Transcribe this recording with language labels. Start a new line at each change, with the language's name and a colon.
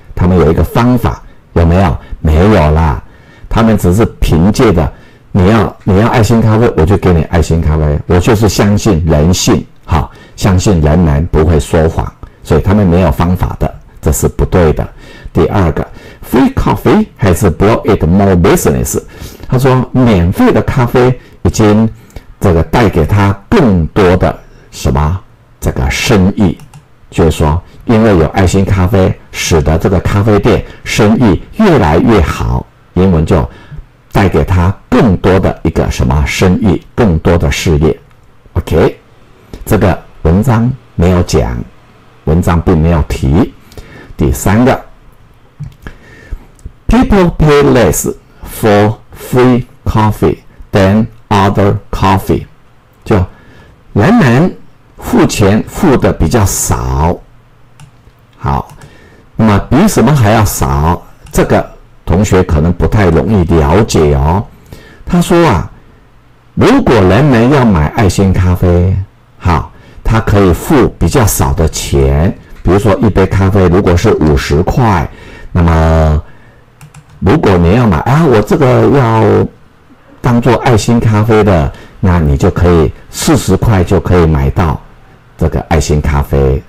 Chinese: 他们有一个方法，有没有？没有啦，他们只是凭借的，你要爱心咖啡，我就给你爱心咖啡，我就是相信人性，好，相信人们不会说谎，所以他们没有方法的，这是不对的。第二个
English: ，free coffee has brought it more business。
Chinese: 他说，免费的咖啡已经这个带给他更多的什么这个生意，就是说因为有爱心咖啡使得这个咖啡店生意越来越好，英文就带给他更多的一个什么生意，更多的事业。 OK， 这个文章没有讲，文章并没有提。第三个，
English: People pay less for free coffee than other coffee，
Chinese: 就人们付钱付的比较少。好，那么比什么还要少？这个同学可能不太容易了解哦。他说啊，如果人们要买爱心咖啡，好，他可以付比较少的钱，比比如说一杯咖啡如果是50块，那么如果你要买啊，我这个要当做爱心咖啡的，那你就可以40块就可以买到这个爱心咖啡。